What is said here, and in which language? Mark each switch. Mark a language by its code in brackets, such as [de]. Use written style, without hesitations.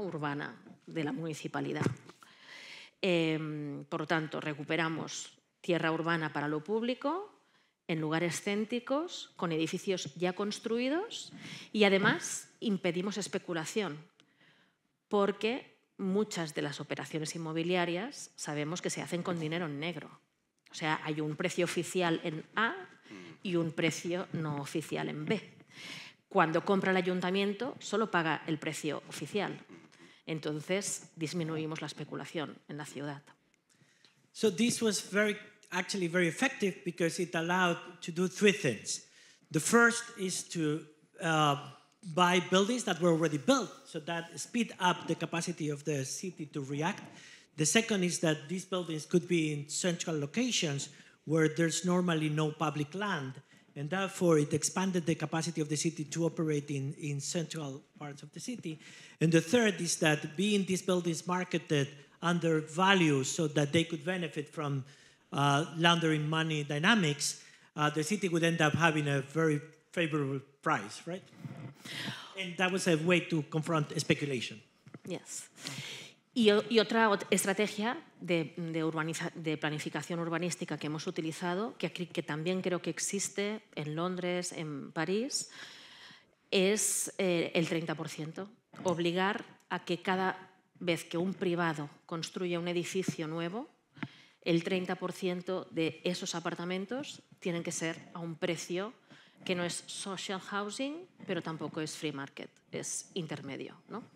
[es] urbana de la municipalidad. Por lo tanto, recuperamos tierra urbana para lo público en lugares céntricos, con edificios ya construidos y además impedimos especulación porque muchas de las operaciones inmobiliarias sabemos que se hacen con dinero en negro. O sea, hay un precio oficial en A y un precio no oficial en B. Cuando compra el ayuntamiento, solo paga el precio oficial. Entonces, disminuimos la especulación en la ciudad. [en] So this was very, actually very effective because it allowed to do three things. The first is to buy buildings that were already built, so that speed up the capacity of the city to react. The second is that these buildings could be in central locations where there's normally no public land, and therefore it expanded the capacity of the city to operate in central parts of the city. And the third is that being these buildings marketed under value so that they could benefit from laundering money dynamics, the city would end up having a very favorable price, right? And that was a way to confront speculation. Yes. [es] Y otra estrategia de planificación urbanística que hemos utilizado, que también creo que existe en Londres, en París, es el 30%. Obligar a que cada vez que un privado construya un edificio nuevo, el 30% de esos apartamentos tienen que ser a un precio que no es [en] social housing, [es] pero tampoco es [en] free market, [es] es intermedio, ¿no?